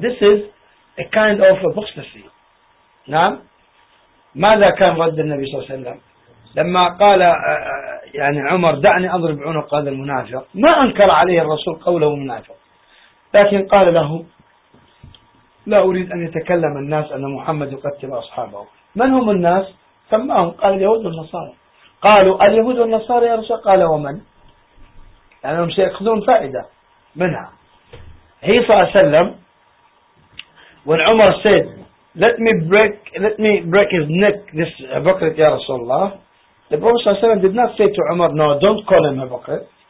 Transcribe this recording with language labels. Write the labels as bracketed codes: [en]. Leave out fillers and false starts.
[en] This is a kind of apostasy. [ar] نعم. ماذا كان رد النبي صلى الله عليه وسلم لما قال يعني عمر دعني أضرب عنق هذا المنافق؟ ما أنكر عليه الرسول قوله منافق. لكن قال له لا أريد أن يتكلم الناس أن محمد يقتل أصحابه. من هم الناس؟ سماهم. قال اليهود والنصارى. قالوا اليهود والنصارى يا رسول. قال ومن؟ يعني هم سيأخذون فائدة منها. [en] هي صلى الله عليه وسلم when عمر said let me break his neck this hypocrite [ar] يا رسول الله, [en] the Prophet صلى الله عليه وسلم did not say to عمر no don't call him hypocrite.